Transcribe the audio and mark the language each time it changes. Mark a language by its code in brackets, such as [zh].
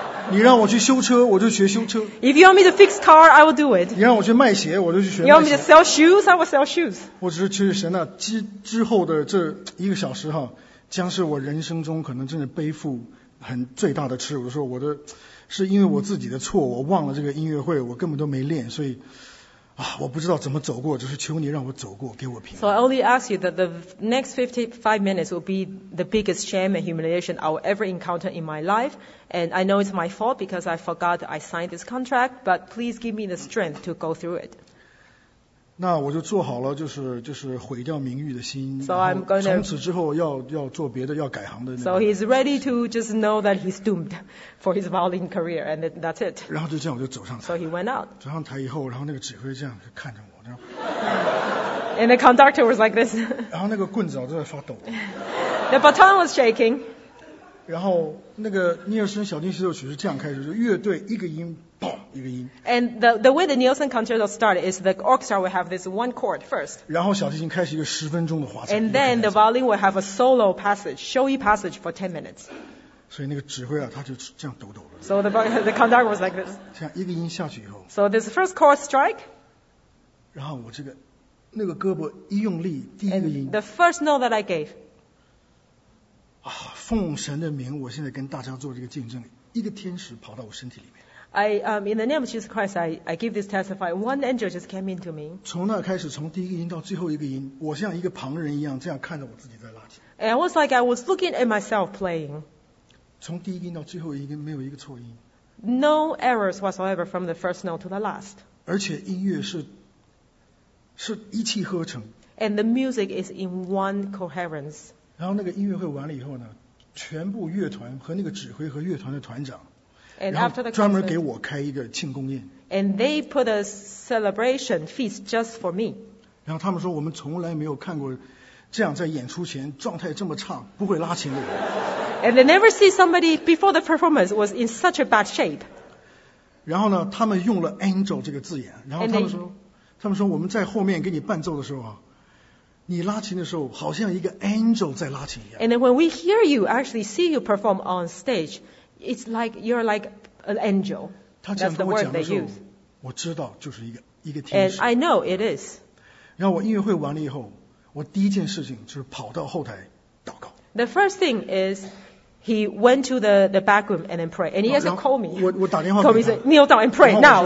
[zh] 你让我去修车，我就学修车。 [en] If you want me to fix car, I will do it. [zh] 你让我去卖鞋，我就去学卖 [en] 鞋。You want me to sell shoes, I will sell shoes. [zh] 我只是去神那、啊、之后的这一个小时哈，将是我人生中可能真的背负很最大的耻辱。说我的是因为我自己的错，我忘了这个音乐会，我根本都没练，所以啊，我不知道怎么走过，只是求你让我走过，给我平安。 [en] So I only ask you that the next 55 minutes will be the biggest shame and humiliation I will ever encounter in my life. And I know it's my fault because I forgot I signed this contract, but please give me the strength to go through it. [zh] 那我就做好了就是毁掉名誉的心。 [en] So I'm going to, [zh] 从此之后要做别的，要改行的。 [en] So he's ready to just know that he's doomed for his violin career, and that's it. [zh] 然后就这样我就走上台。 [en] So he went out. [zh] 走上台以后，然后那个指挥这样就看着我，然后。 [en] And the conductor was like this. [zh] 然后那个棍子都在发抖。 [en] The baton was shaking. [zh] 然后那个尼尔森小提琴协奏曲是这样开始，就乐队一个音。 [en] And the way the Nielsen concerto started is the orchestra will have this one chord first. [zh] 然后小提琴开始一个十分钟的华彩。 [en] And then the violin will have a solo passage, showy passage for 10 minutes. [zh] 所以那个指挥啊，他就这样抖抖了。 [en] So the conductor was like this. [zh] 这样一个音下去以后。 [en] So this first chord strike. [zh] 然后我这个那个胳膊一用力，第一个音。 [en] The first note that I gave. [zh] 啊，奉神的名，我现在跟大家做这个见证，一个天使跑到我身体里面。 [en] I in the name of Jesus Christ, I give this testify. One angel just came into me. [zh] 从那开始，从第一个音到最后一个音，我像一个旁人一样这样看着我自己在拉琴。 [en] And I was like I was looking at myself playing. [zh] 从第一个音到最后一个音，没有一个错音。 [en] No errors whatsoever from the first note to the last. [zh] 而且音乐是一气呵成。 [en] And the music is in one coherence. [zh] 然后那个音乐会完了以后呢，全部乐团和那个指挥和乐团的团长。 [en] And after the concert, [zh] 专门给我开一个庆功宴。 [en] And they put a celebration feast just for me. [zh] 然后他们说我们从来没有看过这样在演出前状态这么差不会拉琴的人。 [en] And they never see somebody before the performance was in such a bad shape. [zh] 然后呢他们用了 angel 这个字眼，然后他们说我们在后面给你伴奏的时候啊，你拉琴的时候好像一个 angel 在拉琴一样。 [en] And then when we hear you actually see you perform on stageIt's like you're like an angel. That's the word they use. [zh] 我知道就是一个天使。 [en] And I know it is. [zh] 然后我音乐会完了以后，我第一件事情就是跑到后台祷告。 [en] The first thing is he went to the back room and then pray. And he has to call me. [zh] 我打电话。 [en] Call me say kneel down and pray now.